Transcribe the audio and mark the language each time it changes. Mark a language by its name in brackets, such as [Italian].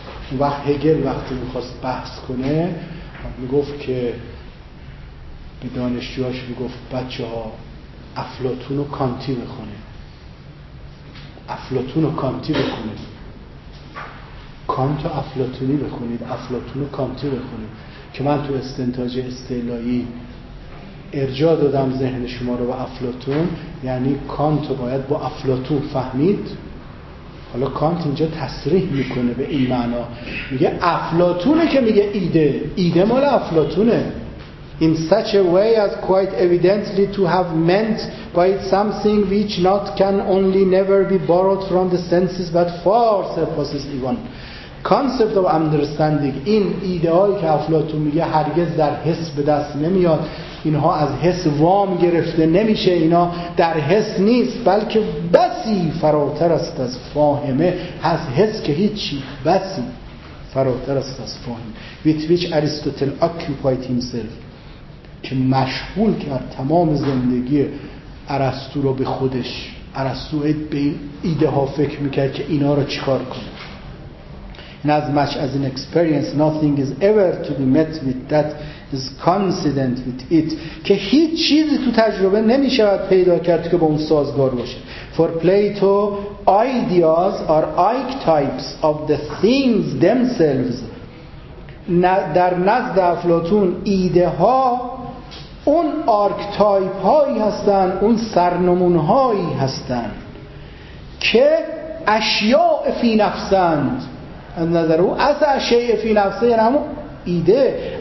[Persian] اون وقت هگل وقتی میخواست بحث کنه میگفت که به دانشجوهاش میگفت بچه ها افلاطون و کانتی بخونه، افلاطون و کانتی بخونه، کانت و افلاطونی بخونید، افلاطون و کانتی بخونید، که من تو استنتاج استعلایی ارجاع دادم ذهن شما رو به افلاطون، یعنی کانت رو باید با افلاطون فهمید. حالا کانت اینجا تصریح میکنه به این معنا، میگه افلاطونه که میگه ایده، ایده مال افلاطونه. [English] In such a way as quite evidently to have meant by it something which not can only never be borrowed from the senses but far surpasses even concept of understanding. [Persian] این ایده هایی که افلاطون میگه هرگز در حس به دست نمیاد، اینها از حس وام گرفته نمیشه، اینا در حس نیست، بلکه بسی فراتر است از فاهمه، از حس که هیچی، بسی فراتر است از فاهمه. [English] With which Aristotle occupied himself، [Persian] که مشغول کرد تمام زندگی ارسطو رو به خودش. ارسطو به ایده ها فکر میکرد که اینا رو چیکار کنه. [English] As much as in experience nothing is ever to be met with that is coincident with it، [Persian] که هیچ چیزی تو تجربه نمیشود پیدا کرد که با اون سازگار باشه. [English] For Plato ideas are archetypes of the things themselves. [Persian] در نزد افلاطون ایده ها اون آرکتایپ هایی هستن، اون سرنمون هایی هستن که اشیاء فی نفسند. از نظر او از اشیاء فی نفسه یعنی همون ایده.